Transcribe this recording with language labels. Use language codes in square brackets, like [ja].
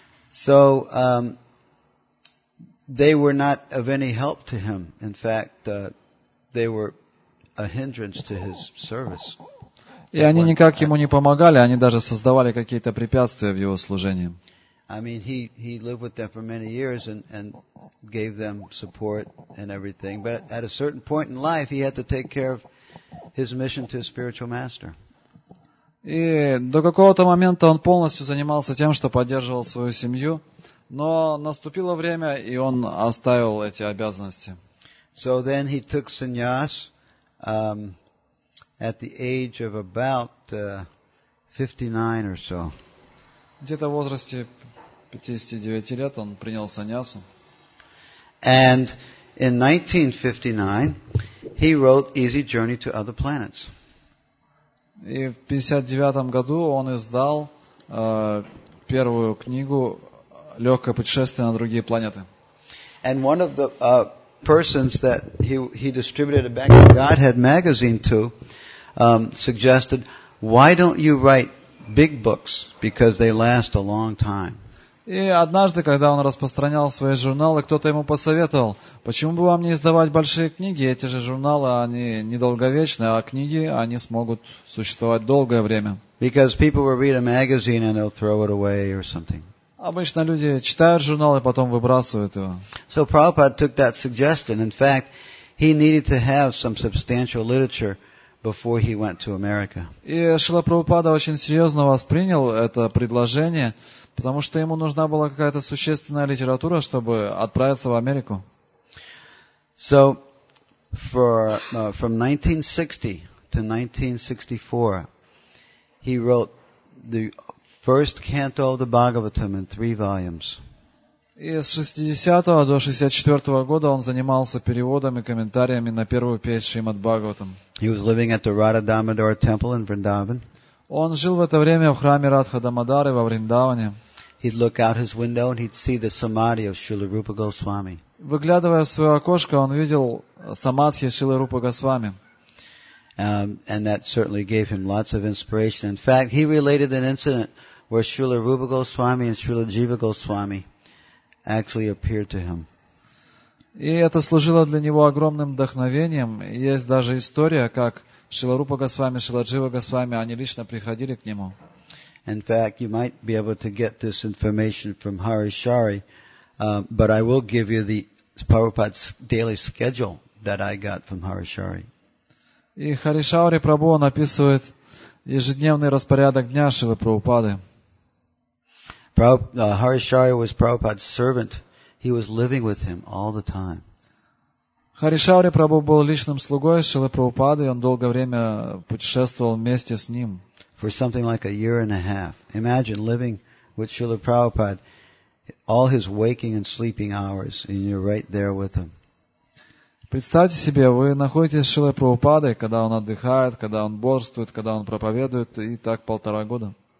[en] So they were not of any help to him. In fact, they were a hindrance to his service. [ru] И они никак ему не помогали, они даже создавали какие-то препятствия в его служении. [en] I mean, he lived with them for many years and gave them support and everything. But at a certain point in life, he had to take care of his mission to his spiritual master. [ru] И до какого-то момента он полностью занимался тем, что поддерживал свою семью. Но наступило время, и он оставил эти обязанности. [en] So then he took sannyas at the age of about 59 or so. [ru] Где-то в возрасте 59 лет он принял саньясу. [en] And in 1959 he wrote Easy Journey to Other Planets. [ru] И в 59 году он издал первую книгу «Легкое путешествие на другие планеты». [en] And one of the persons that he distributed a Back to Godhead magazine to suggested, why don't you write big books because they last a long time? [ru] И однажды, когда он распространял свои журналы, кто-то ему посоветовал, почему бы вам не издавать большие книги? Эти же журналы, они недолговечны, а книги, они смогут существовать долгое время. [en] Because people will read a magazine and they'll throw it away or something. [ru] Обычно люди читают журналы, потом выбрасывают его. [en] So Prabhupada took that suggestion. In fact, he needed to have some substantial literature before he went to America. [ru] И Шрила Прабхупада очень серьезно воспринял это предложение, потому что ему нужна была какая-то существенная литература, чтобы отправиться в Америку. [en] So, from 1960 to 1964, he wrote the first canto of the Bhagavatam in three volumes. [ru] И с 60 до 64 года он занимался переводами и комментариями на первую песнь Шримад Бхагаватам. [en] He was living at the Radha Damodar temple in Vrindavan. [ru] Он жил в это время в храме Радха Дамодары во Вриндаване. [en] He'd look out his window and he'd see the samadhi of Srila Rupa Goswami. [ru] Выглядывая в свое окошко, он видел самадхи Шрилы Рупы Госвами. [en] And that certainly gave him lots of inspiration. In fact, he related an incident where Srila Rupa Goswami and Srila Jiva Goswami actually appeared to him. [ru] И это служило для него огромным вдохновением. Есть даже история, как Шрила Рупа Госвами, Шрила Джива Госвами, они лично приходили к нему. [en] In fact, you might be able to get this information from Hari Shari, but I will give you the Prabhupada's daily schedule that I got from Hari Shari. [ru] И Хари Шаури Прабху описывает ежедневный распорядок дня Шрилы Прабхупады. [en] Hari Shari was Prabhupada's servant. He was living with him all the time. [ru] Хари Шаури Прабху был личным слугой Шрилы Прабхупады, и он долгое время путешествовал вместе с ним. [en] For something like a year and a half. Imagine living with Srila Prabhupada, all his waking and sleeping hours, and you're right there with him. [ru] Представьте себе, вы находитесь с Шрилой Прабхупадой, когда он отдыхает, когда он бодрствует, когда он проповедует, и так полтора года.